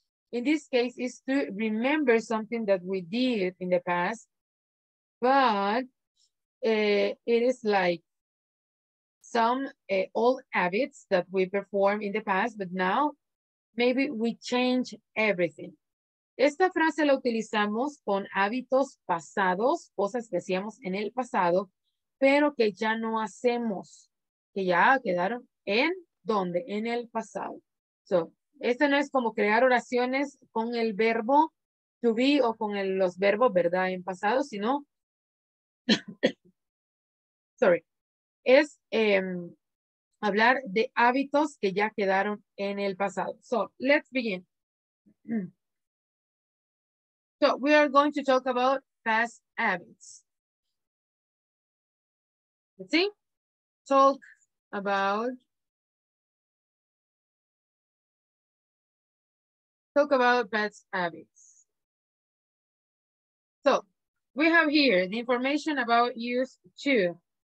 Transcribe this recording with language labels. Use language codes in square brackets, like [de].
[en] In this case, it's to remember something that we did in the past, but it is like some old habits that we perform in the past, but now maybe we change everything. [es] Esta frase la utilizamos con hábitos pasados, cosas que hacíamos en el pasado, pero que ya no hacemos, que ya quedaron en ¿dónde? En el pasado. [en] So, [es] esta no es como crear oraciones con el verbo to be o con el, los verbos, ¿verdad? En pasado, sino, sorry, es hablar de hábitos que ya quedaron en el pasado. [en] So, let's begin. So, we are going to talk about past habits. Let's see. Talk about. Talk about past habits. So, we have here the information about used to.